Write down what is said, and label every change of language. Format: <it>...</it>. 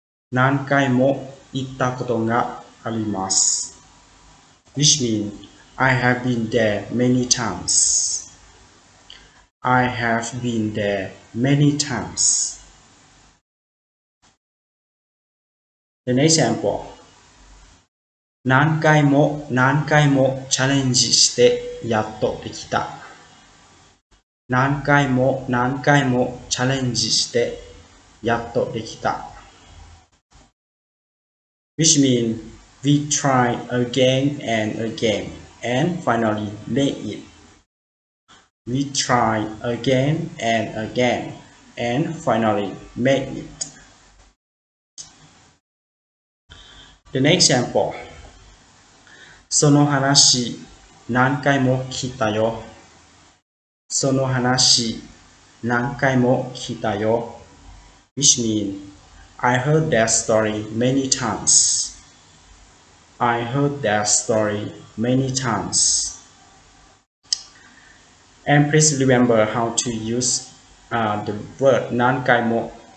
<ja>何回も行ったことがあります。</ja> <en>Which means, I have been there many times. I have been there many times. The next example,</en> <ja>何回も何回もチャレンジしてやっとできた。何回も何回もチャレンジしてやっとできた。</ja> <en>Which means we try again and again and finally made it. We try again and again and finally made it. The next example.</en> <ja>その話何回も聞いたよ。その話何回も聞いたよ。</ja> <en>Which means, I heard that story many times. I heard that story many times. And please remember how to use the word 何回も。</en>